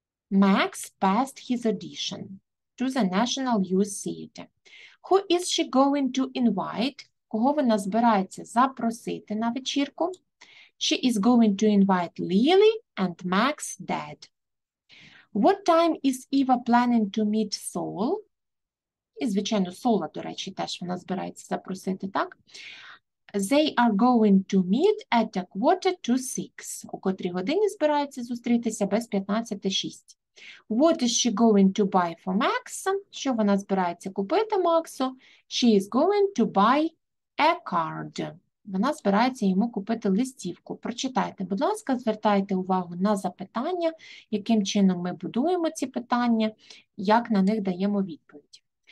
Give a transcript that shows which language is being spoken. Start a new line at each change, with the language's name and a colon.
English: Max passed his audition to the National Youth Theatre. Who is she going to invite?
Ukrainian: Кого вона збирається запросити на вечірку?
English: She is going to invite Lily and Max's dad. What time is Eva planning to meet Saul?
Ukrainian: І, звичайно, Сола, до речі, теж вона збирається запросити, так?
English: They are going to meet at 5:45.
Ukrainian: У котрій годині збирається зустрітися без 15:06.
English: What is she going to buy for Max?
Ukrainian: Що вона збирається купити Максу?
English: She is going to buy a card.
Ukrainian: Вона збирається йому купити листівку. Прочитайте, будь ласка, звертайте увагу на запитання, яким чином ми будуємо ці питання, як на них даємо відповідь.